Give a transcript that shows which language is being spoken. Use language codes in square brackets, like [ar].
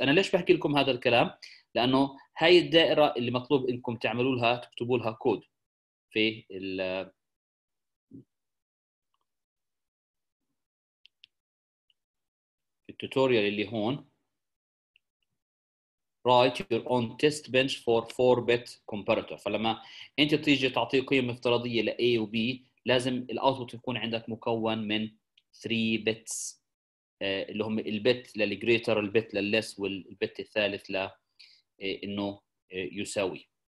[ar] أنا ليش بحكي لكم هذا الكلام؟ لأنه هاي الدائرة اللي مطلوب إنكم تعملوا لها تكتبوا لها كود في ال التوتوريال اللي هون. [en] Write your own test bench for 4-bit comparator. [ar] فلما أنت تيجي تعطي قيمة افتراضية ل A و B لازم الأوتبوت يكون عندك مكون من 3 bits اللي هم البت للgreater، البت للless، والبت الثالث لأنه يساوي.